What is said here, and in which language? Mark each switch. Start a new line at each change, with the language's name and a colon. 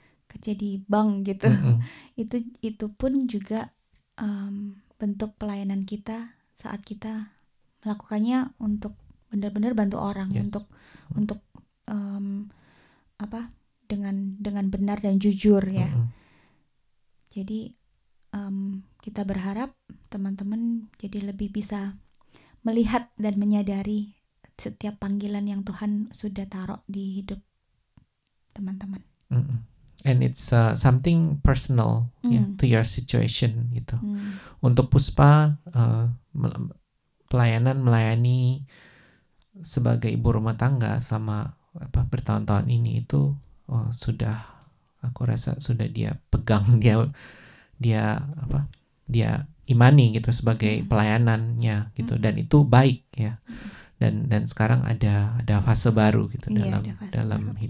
Indonesian: Kerja di bank gitu. itu pun juga bentuk pelayanan kita saat kita melakukannya untuk benar-benar bantu orang untuk apa dengan benar dan jujur ya. Jadi kita berharap teman-teman jadi lebih bisa melihat dan menyadari setiap panggilan yang Tuhan sudah taruh di hidup teman-teman.
English: And it's something personal to your situation
Indonesian: gitu. Untuk Puspa pelayanan melayani sebagai ibu rumah tangga sama apa bertahun-tahun ini itu sudah aku rasa sudah dia pegang dia imani gitu sebagai pelayanannya gitu dan itu baik ya dan sekarang ada fase baru gitu dalam baru.